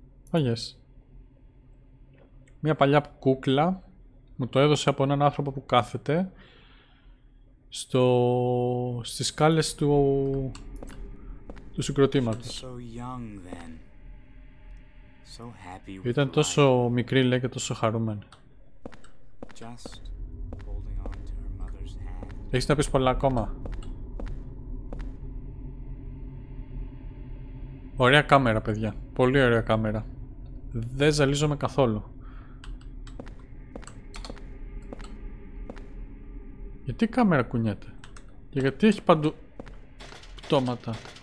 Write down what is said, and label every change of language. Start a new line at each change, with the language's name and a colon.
English: Oh yes.
Greek: Μια παλιά κούκλα. Μου το έδωσε από έναν άνθρωπο που κάθεται στο... στις σκάλες του... του συγκροτήματος.
English: So young, then. So happy with life.
Greek: Ήταν τόσο μικρή, λέει, και τόσο χαρούμενη.
English: Just holding on to her mother's hand.
Greek: Έχεις να πεις πολλά ακόμα. Ωραία κάμερα, παιδιά. Πολύ ωραία κάμερα. Δεν ζαλίζομαι καθόλου. Γιατί η κάμερα κουνιέται και γιατί έχει παντού πτώματα.